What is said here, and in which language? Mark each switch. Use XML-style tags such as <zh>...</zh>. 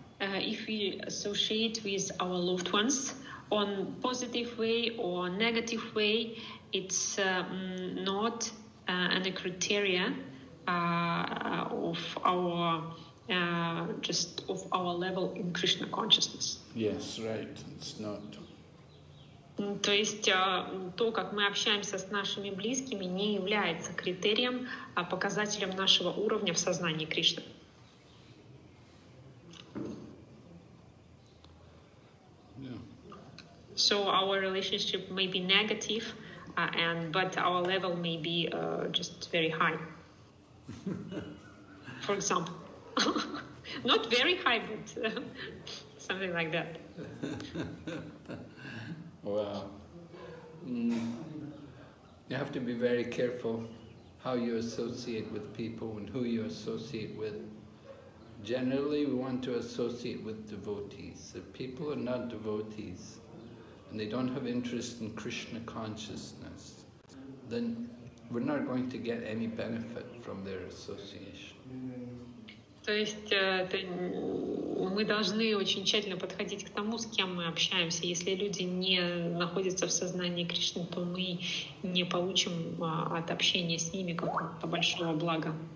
<en>If we associate with our loved ones on positive way or negative way, it's not a criteria of our just of our level in Krishna consciousness. Yes, right. It's not.</en> <ru>То есть то, как мы общаемся с нашими близкими, не является критерием, а показателем нашего уровня в сознании Кришны.</ru> <en>So our relationship may be negative, but our level may be just very high. For example, not very high, but something like that. Well, you have to be very careful how you associate with people and who you associate with. Generally, we want to associate with devotees. If people are not devotees, and they don't have interest in Krishna consciousness, then we're not going to get any benefit from their association.</en> <ru>То есть мы должны очень тщательно подходить к тому, с кем мы общаемся. Если люди не находятся в сознании Кришны, то мы не получим от общения с ними какого-то большого блага.</ru>